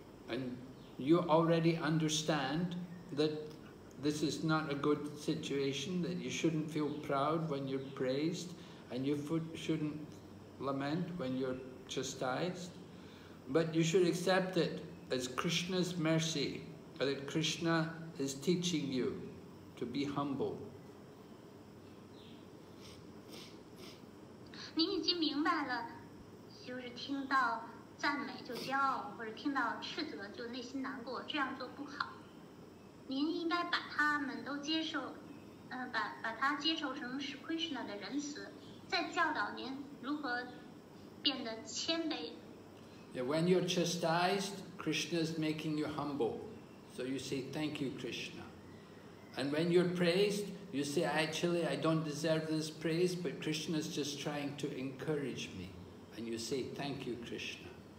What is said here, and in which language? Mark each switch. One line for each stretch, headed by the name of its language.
English: And you already understand that this is not a good situation, that you shouldn't feel proud when you're praised, and you shouldn't lament when you're chastised. But you should accept it as Krishna's mercy, that Krishna is teaching you to be humble.
Chinese: 您已经明白了，就是听到赞美就骄傲，或者听到斥责就内心难过，这样做不好。您应该把他们都接受，把他接受成是 Krishna 的仁慈，再教导您如何变得谦卑。
English: Yeah, when you're chastised, Krishna is making you humble, so you say thank you, Krishna. And when you're praised,You say, actually, I don't deserve this praise, but Krishna is just trying to encourage me. And you say, thank you, Krishna.